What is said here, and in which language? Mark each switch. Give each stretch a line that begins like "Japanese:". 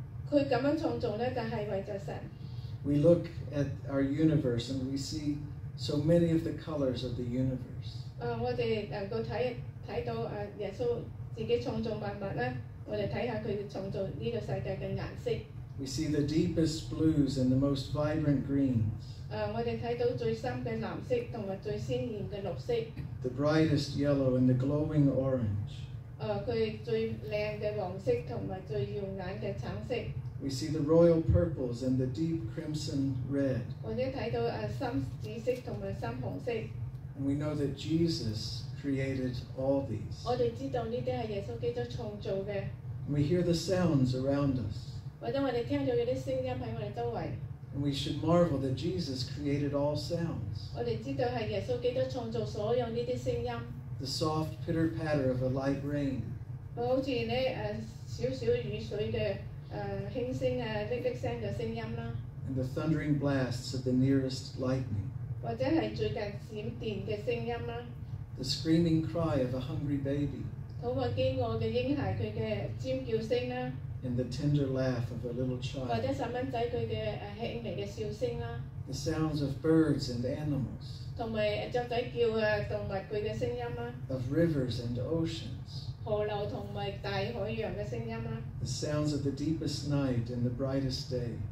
Cantonese: 佢咁样创造咧，就系为咗神。
English: We look at our universe and we see so many of the colors of the universe.
Cantonese: 我哋能够睇到耶稣自己创造万物咧，我哋睇下佢创造呢个世界嘅颜色。
English: We see the deepest blues and the most vibrant greens.
Cantonese: 我哋睇到最深嘅蓝色同埋最鲜艳嘅绿色。
English: The brightest yellow and the glowing orange.
Cantonese: 佢最靓嘅黄色同埋最耀眼嘅橙色。
English: We see the royal purples and the deep crimson red.
Cantonese: 我哋睇到深紫色同埋深红色。
English: And we know that Jesus created all these.
Cantonese: 我哋知道呢啲系耶稣基督创造嘅。
English: And we hear the sounds around us.
Cantonese: 或者我哋听到有啲声音喺我哋周围。
English: And we should marvel that Jesus created all sounds.
Cantonese: 我哋知道系耶稣基督创造所有呢啲声音。
English: The soft pitter patter of a light rain.
Cantonese: 好似咧少少雨水嘅轻声沥沥声嘅声音啦。
English: And the thundering blasts of the nearest lightning.
Cantonese: 或者系最近闪电嘅声音啦。
English: The screaming cry of a hungry baby.
Cantonese: 肚饿饥饿嘅婴孩佢嘅尖叫声啦。
English: And the tender laugh of a little child.
Cantonese: 或者细蚊仔佢嘅轻微嘅笑声啦。
English: The sounds of birds and animals.
Cantonese: 同埋雀仔叫动物佢嘅声音啦。
English: Of rivers and oceans.
Cantonese: 河流同埋大海洋嘅声音啦。
English: The sounds of the deepest night and the brightest day.